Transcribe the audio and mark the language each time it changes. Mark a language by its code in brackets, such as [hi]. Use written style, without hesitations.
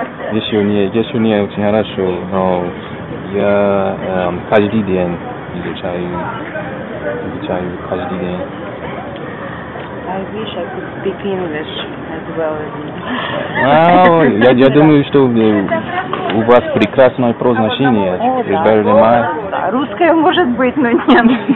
[ru] Здесь у меня очень хорошо, но я каждый день изучаю каждый день. [en] I wish I could speak English as well as you. Well, [ru] я думаю, что у вас прекрасное произношение. [en] It's better than mine. [ru] Русское может быть, но нет.